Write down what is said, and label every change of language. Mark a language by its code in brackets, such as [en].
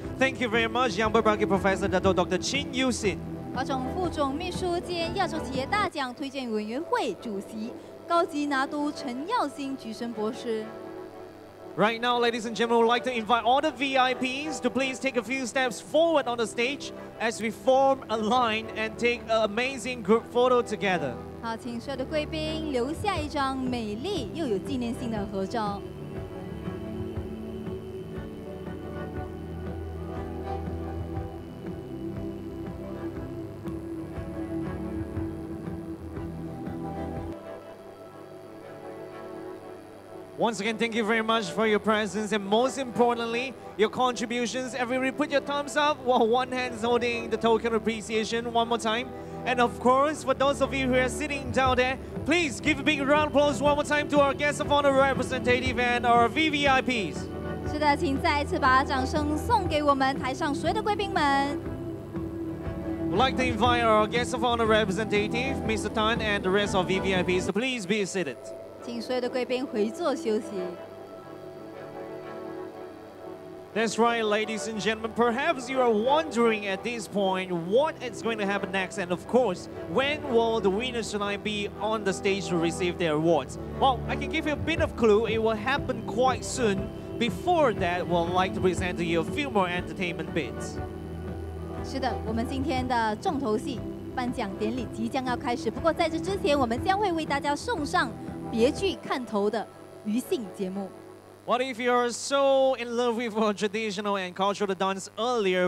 [en] Thank you very much, Yang Berbagai Professor Dato Dr. Chin Yu Sin. [zh] 华总副总秘书兼亚洲企业大奖推荐委员会主席高级拿督陈耀新菊生博士。 [en] Right now, ladies and gentlemen, we'd like to invite all the VIPs to please take a few steps forward on the stage as we form a line and take an amazing group photo together. [zh] 好，请所有的贵宾留下一张美丽又有纪念性的合照。 [en] Once again, thank you very much for your presence and most importantly, your contributions. Everybody put your thumbs up while one hand is holding the token of appreciation one more time. And of course, for those of you who are sitting down there, please give a big round of applause one more time to our guests of honor representative and our VVIPs. [zh] 是的，请再一次把掌声送给我们台上所有的贵宾们。 [en] We'd like to invite our guests of honor representative, Mr. Tan and the rest of VVIPs to please be seated. [zh] 请所有的贵宾回座休息。 [en] That's right, ladies and gentlemen. Perhaps you are wondering at this point what is going to happen next, and of course, when will the winners tonight be on the stage to receive their awards? Well, I can give you a bit of clue. It will happen quite soon. Before that, we'd like to present to you a few more entertainment bits. [zh] 是的，我们今天的重头戏颁奖典礼即将要开始。不过在这之前，我们将会为大家送上。别具看头的余兴节目。 [en] What if you are so in love with our traditional and cultural dance earlier?